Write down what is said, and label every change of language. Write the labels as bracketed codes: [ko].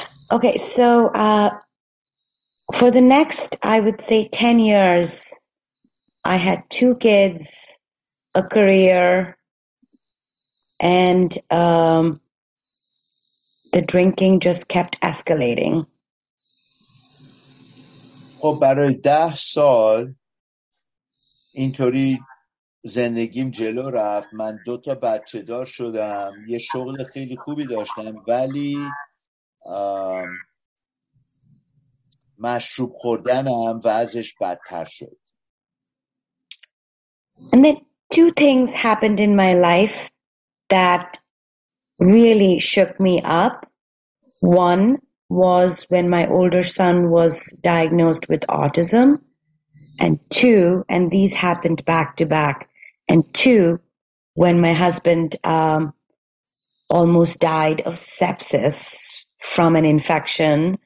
[en] Okay, so for the next, I would say, 10 years, I had two kids, a career, and the drinking just kept escalating. [fa] خب برای 10 سال اینطوری زندگیم جلو رفت. من دو تا بچه دار شدم، یه شغل خیلی خوبی داشتم، ولی مشروب خوردنم وضعش بدتر شد. [en] And then two things happened in my life that really shook me up. One was when my older son was diagnosed with autism, and two, and these happened back to back, and two, when my husband almost died of sepsis from an infection.